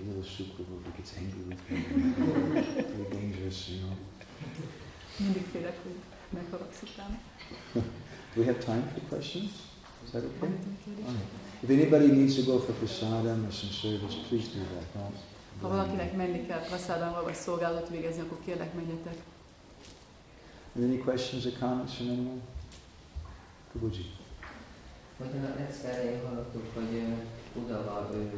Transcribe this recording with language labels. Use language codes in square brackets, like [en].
[en] Little Sukra Prabhu gets angry with me. Very dangerous, you know. Do we have time for questions? Is that okay? Right. If anybody needs to go for prasadam or some service, please do that. No? [hu] Ha valakinek menni kell prasadamra vagy szolgálatot végezni, akkor kérlek menjetek. [en] Any questions or comments from anyone? Prabhuji. [hu] Vagyon a egyszerre én hallottuk, hogy Udava